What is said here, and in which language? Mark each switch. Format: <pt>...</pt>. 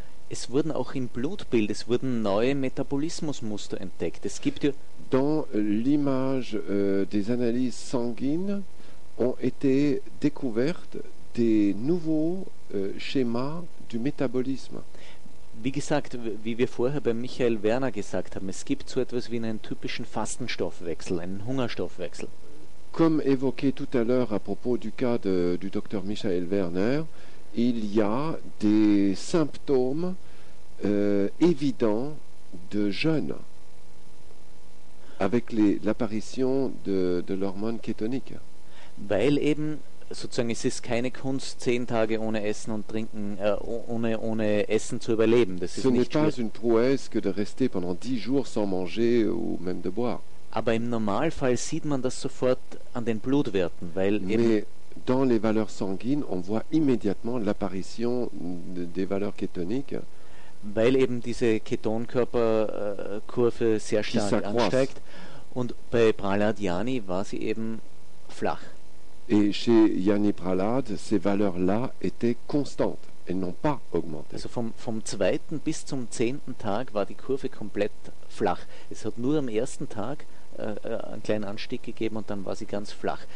<de>Es wurden auch im Blutbild, es wurden neue Metabolismusmuster entdeckt. Es gibt ja</de> <fr>dans l'image des analyses sanguines ont été découvertes des nouveaux schémas du métabolisme.</fr> <de>Wie gesagt, wie wir vorher bei Michael Werner gesagt haben, es gibt so etwas wie einen typischen Fastenstoffwechsel, einen Hungerstoffwechsel.</de> <fr>Comme évoqué tout à l'heure à propos du cas du docteur Michael Werner, il y a des symptômes évidents de jeûne avec l'apparition de l'hormone kétonique.</fr> <de>Weil eben sozusagen, es ist keine Kunst, 10 Tage ohne Essen und Trinken, ohne Essen zu überleben. Das ist nicht</de> <fr>pas une prouesse que de rester pendant 10 jours sans manger ou même de boire.</fr> <de>Aber im Normalfall sieht man das sofort an den Blutwerten, weil eben.</de> <fr>Mais dans les valeurs sanguines, on voit immédiatement l'apparition des valeurs kétoniques.</fr> <de>Weil eben diese Ketonkörperkurve sehr stark ansteigt. Und bei Praladiani war sie eben flach.</de> <fr>Et chez Yanni Pralad, ces valeurs-là étaient constantes, elles n'ont pas augmenté.</fr> <de>Also vom zweiten bis zum 10. Tag war die Kurve komplett flach. Es hat nur am ersten Tag einen kleinen Anstieg gegeben und dann war sie ganz flach.</de>